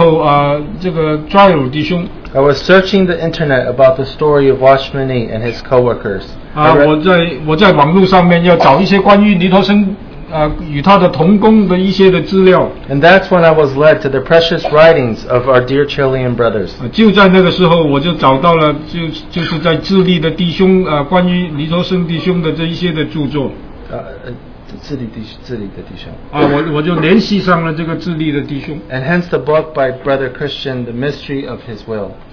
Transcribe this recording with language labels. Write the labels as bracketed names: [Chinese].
[Chinese] 2004年的时候，这个抓友弟兄。 [English] I was searching the internet about the story of Watchman Nee and his co-workers. [Chinese] 我在网络上面要找一些关于尼托生与他的同工的一些的资料。 [English] And that's when I was led to the precious writings of our dear Chilean brothers. [Chinese] 就在那个时候，我就找到了，就是在智利的弟兄关于尼托生弟兄的这一些的著作。 [English] And hence the book by Brother Christian, The Mystery of His Will.